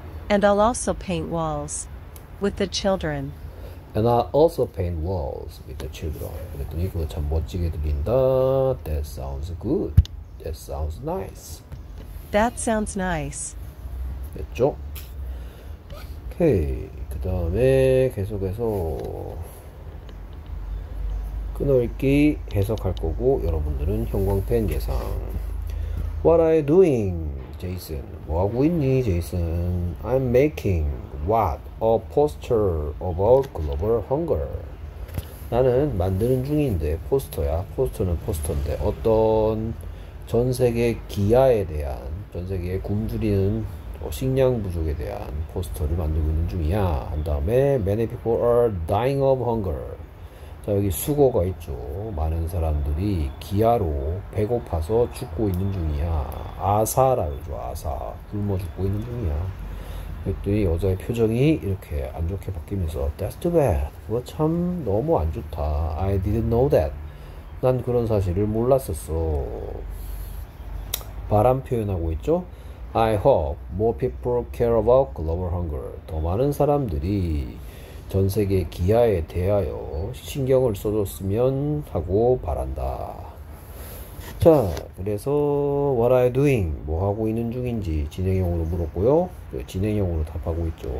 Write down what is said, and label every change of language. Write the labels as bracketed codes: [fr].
[en] And I'll also paint walls with the children. And I'll also paint walls with the children. [ko] 그랬더니 그거 참 멋지게 들린다. [en] That sounds good. That sounds nice. That sounds nice. [ko] 됐죠? 오케이. 그 다음에 계속해서 끊어읽기 해석할 거고 여러분들은 형광펜 예상. [en] What are you doing, Jason? [ko] 뭐 하고 있니, [en] Jason? I'm making what a poster about global hunger. [ko] 나는 만드는 중인데 포스터야. 포스터는 포스터인데 어떤 전 세계 기아에 대한 전 세계 굶주리는 식량 부족에 대한 포스터를 만들고 있는 중이야. 한 다음에 [en] Many people are dying of hunger. [ko] 자, 여기 수거가 있죠. 많은 사람들이 기아로 배고파서 죽고 있는 중이야. 아사라 그러죠. 아사. 굶어 죽고 있는 중이야. 그랬더니 여자의 표정이 이렇게 안 좋게 바뀌면서 [en] That's too bad. [ko] 그거 참 너무 안 좋다. [en] I didn't know that. [ko] 난 그런 사실을 몰랐었어. 바람 표현하고 있죠? [en] I hope more people care about global hunger. [ko] 더 많은 사람들이 전 세계 기아에 대하여 신경을 써줬으면 하고 바란다. 자, 그래서 [en] What are you doing? [ko] 뭐 하고 있는 중인지 진행형으로 물었고요. 진행형으로 답하고 있죠.